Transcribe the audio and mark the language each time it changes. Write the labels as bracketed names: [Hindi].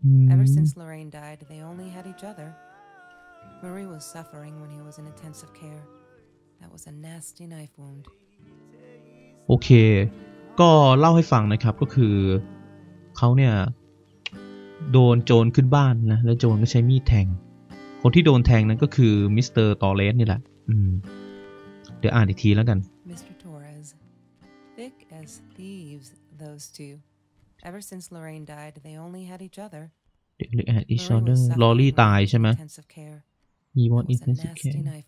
[English] Ever since Lorraine died, they only had each other. Marie was suffering when he was in intensive care. That was a nasty knife wound. [Thai] โอเคก็เล่าให้ฟังนะครับก็คือเขาเนี่ยโดนโจรขึ้นบ้านนะแล้วโจรก็ใช้มีดแทงคนที่โดนแทงนั้นก็คือมิสเตอร์ตอร์เรสนี่แหละเดี๋ยวอ่านอีกทีแล้วกัน [English] Mr. Torres, thick as thieves, those two. Ever since Lorraine died, they only had each other. They only had each other. Lolly died, [Thai] ใช่ไหม? [English] He was intensive care.